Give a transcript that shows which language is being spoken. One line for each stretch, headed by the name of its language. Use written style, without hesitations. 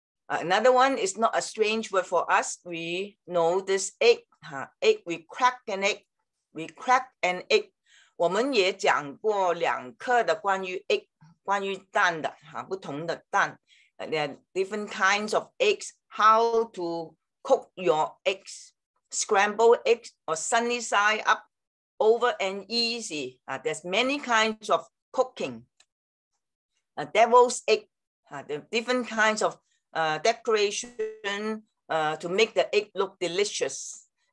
English: Another one is not a strange word for us. We know this egg, egg, we crack an egg, we crack an egg.
Chinese: 我们也讲过两课的关于 egg, 关于蛋的，不同的蛋。
English: There are different kinds of eggs, how to cook your eggs. Scrambled eggs or sunny side up over and easy. There's many kinds of cooking. A devil's egg. There are different kinds of decoration to make the egg look delicious.